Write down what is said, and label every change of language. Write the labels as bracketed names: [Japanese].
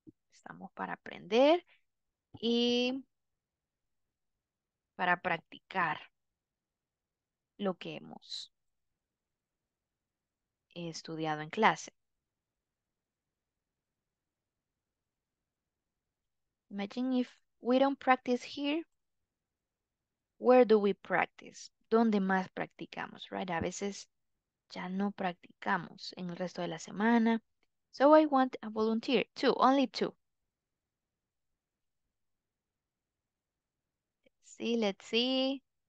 [Spanish] Estamos para aprender y para practicar lo que hemos estudiado en clase. [English] Imagine if we don't practice here, where do we practice? [Spanish] ¿Dónde más practicamos, right? A veces ya no practicamos en el resto de la semana. [English] So I want a volunteer, two, only two. Let's see.